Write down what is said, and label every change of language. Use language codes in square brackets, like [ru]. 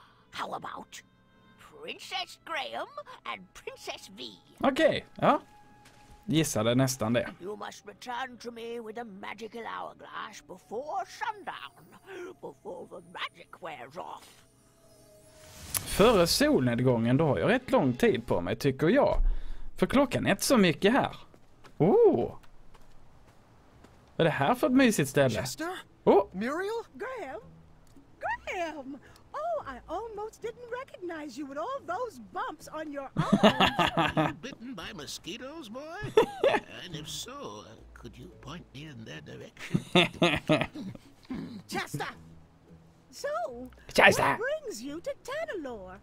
[en] How about Princess Graham and Princess V? Okay, yeah. [sv] Gissade nästan det. [en] You must return to me with a magical hourglass before sundown, before the magic wears off. [sv] Före solnedgången, då har jag rätt lång tid på mig, tycker jag. För klockan är inte så mycket här. Oh! Är det här för ett mysigt ställe? [en] Chester? Oh! Muriel? Graham? Graham! Oh, I almost didn't recognize you with all those bumps on your arms. Are you bitten by mosquitoes, boy? And if so, could you point me in their direction? Chester! So, Chester. What brings you to Tanalore?